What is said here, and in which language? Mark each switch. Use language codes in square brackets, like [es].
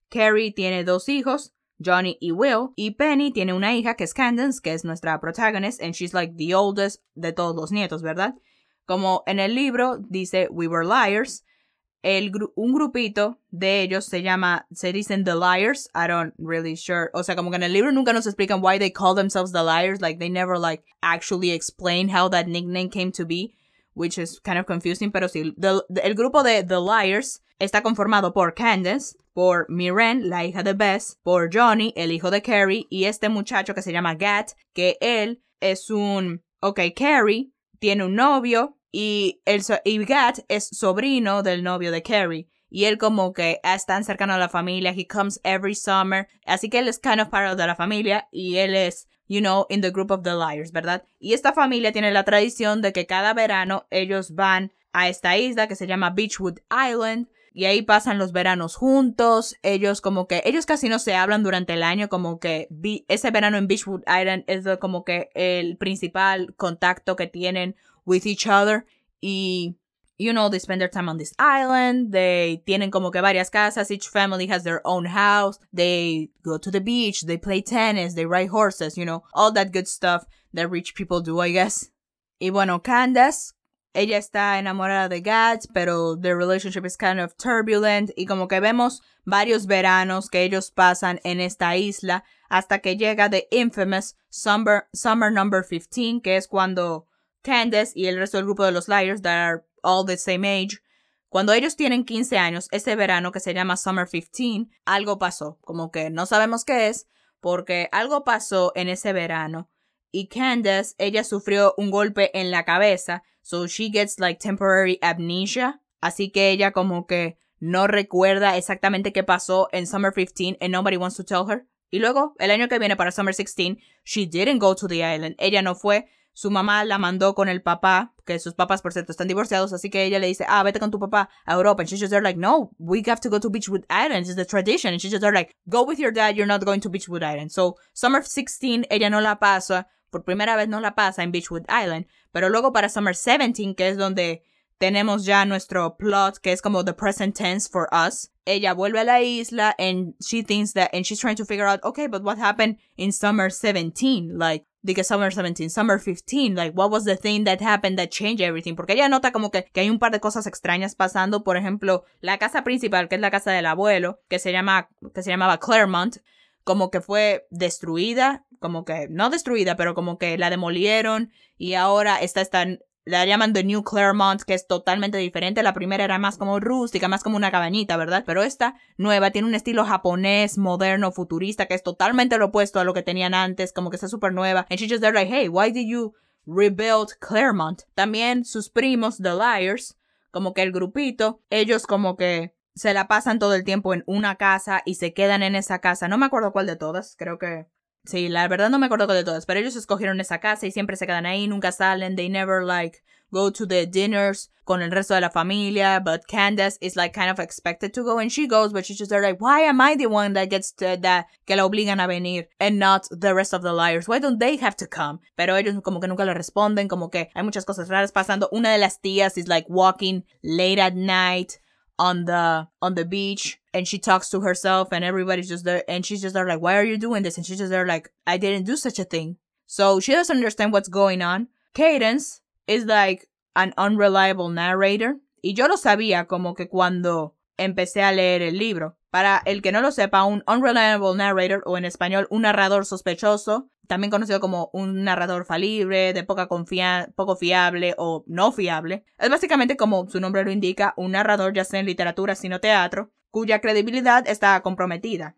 [es] Carrie tiene 2 hijos, Johnny y Will. Y Penny tiene una hija que es Candace, que es nuestra [en] protagonist, and she's like the oldest [es] de todos los nietos, ¿verdad? Como en el libro dice We Were Liars, un grupito de ellos se dicen The Liars. [en] I don't really sure. [es] O sea, como que en el libro nunca nos explican [en] why they call themselves The Liars. Like, they never, like, actually explain how that nickname came to be, which is kind of confusing. [es] Pero sí, el grupo de The Liars está conformado por Candace, por Mirren, la hija de Bess, por Johnny, el hijo de Carrie, y este muchacho que se llama Gat, que él es un... Okay, Carrie tiene un novio Y Gat es sobrino del novio de Carrie. Y él como que es tan cercano a la familia. [en] He comes every summer. [es] Así que él es [en] kind of part of [es] la familia. Y él es, [en] you know, in the group of the liars, [es] ¿verdad? Y esta familia tiene la tradición de que cada verano ellos van a esta isla que se llama Beechwood Island. Y ahí pasan los veranos juntos. Ellos como que, ellos casi no se hablan durante el año. Como que ese verano en Beechwood Island es como que el principal contacto que tienen [en] with each other. Y, you know, they spend their time on this island. [es] They tienen como que varias casas. [en] Each family has their own house. They go to the beach. They play tennis. They ride horses, you know. All that good stuff that rich people do, I guess. [es] Y bueno, Candace, ella está enamorada de Gats, pero [en] their relationship is kind of turbulent. [es] Y como que vemos varios veranos que ellos pasan en esta isla hasta que llega [en] the infamous summer number 15, [es] que es cuando Candace y el resto del grupo de los Liars [en] that are all the same age, [es] cuando ellos tienen 15 años, ese verano que se llama summer 15, algo pasó. Como que no sabemos qué es, porque algo pasó en ese verano. Y Candace, ella sufrió un golpe en la cabeza. [en] So she gets like temporary amnesia. [es] Así que ella como que no recuerda exactamente qué pasó en summer 15 [en] and nobody wants to tell her. [es] Y luego, el año que viene para summer 16, [en] she didn't go to the island. [es] Ella no fue. Su mamá la mandó con el papá, que sus papás, por cierto, están divorciados. Así que ella le dice, ah, vete con tu papá a Europa. [en] And she's just there like, no, we have to go to Beechwood Island. It's the tradition. And she's just there like, go with your dad, you're not going to Beechwood Island. [es] So summer 16, ella no la pasa. Por primera vez no la pasa en Beechwood Island. Pero luego para summer 17, que es donde tenemos ya nuestro plot, que es como [en] the present tense for us, [es] ella vuelve a la isla [en] and she thinks that, and she's trying to figure out, okay, but what happened in summer 17? Like, diga summer 17, summer 15, like, what was the thing that happened that changed everything? [es] Porque ella nota como que hay un par de cosas extrañas pasando. Por ejemplo, la casa principal, que es la casa del abuelo, que se llamaba Claremont, como que fue destruida. Como que, no destruida, pero como que la demolieron y ahora está, la llaman The New Claremont, que es totalmente diferente. La primera era más como rústica, más como una cabañita, ¿verdad? Pero esta nueva tiene un estilo japonés, moderno, futurista, que es totalmente lo opuesto a lo que tenían antes, como que está súper nueva. [en] And she's just there like, hey, why did you rebuild Claremont? [es] También sus primos, The Liars, como que el grupito, ellos como que se la pasan todo el tiempo en una casa y se quedan en esa casa. No me acuerdo cuál de todas, creo que... Sí, la verdad no me acuerdo de todas, pero ellos escogieron esa casa y siempre se quedan ahí, nunca salen. [en] They never, like, go to the dinners [es] con el resto de la familia, [en] but Candace is, like, kind of expected to go, and she goes, but she's just there, like, why am I the one that gets to that, [es] que la obligan a venir, [en] and not the rest of the liars? Why don't they have to come? [es] Pero ellos como que nunca le responden, como que hay muchas cosas raras pasando. Una de las tías [en] is, like, walking late at night on the beach, and she talks to herself, and everybody's just there, and she's just there like, why are you doing this? And she's just there like, I didn't do such a thing. So she doesn't understand what's going on. Cadence is like an unreliable narrator. [es] Y yo lo sabía como que cuando empecé a leer el libro. Para el que no lo sepa, un unreliable narrator, o en español, un narrador sospechoso, también conocido como un narrador falible, de poco fiable o no fiable, es básicamente, como su nombre lo indica, un narrador, ya sea en literatura, sino teatro, cuya credibilidad está comprometida.